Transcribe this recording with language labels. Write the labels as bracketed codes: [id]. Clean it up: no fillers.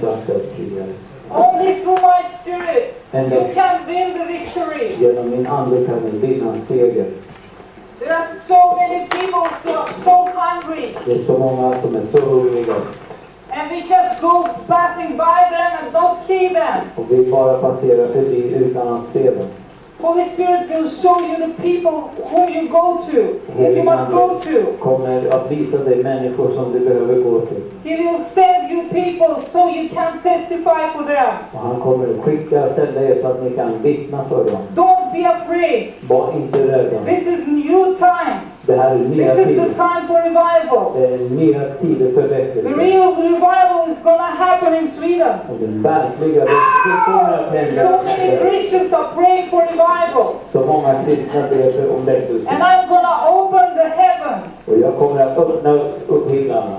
[en] Only through my spirit and you can win the victory. [sv] Genom min ande kan vi vinna seger. [en] There are so many people who are so hungry. [sv] Det är så många som är så hungriga. [en] And we just go passing by them and don't see them. [sv] Och vi bara passerar förbi utan att se dem. [en] Holy Spirit will show you the people whom you go to, and you must go to. [sv] Kommer att visa dig människor som du behöver gå till. [en] He will send you people so you can testify for them. [sv] Och han kommer skicka sända er så att ni kan vittna för dem. [en] Don't be afraid. [sv] Var inte rädda. [en] This is new time. [sv] Det här är nya tider. [en] This is the time for revival. [sv] Det är nya tider för väckelse. [en] The real revival is gonna happen in Sweden. [sv] Och den verkliga väckelsen kommer att hända. [en] So many Christians are praying for revival. [sv] Så många kristna ber om väckelse. [en] And I'm gonna open the heavens. [sv] Och jag kommer att öppna upp himlarna.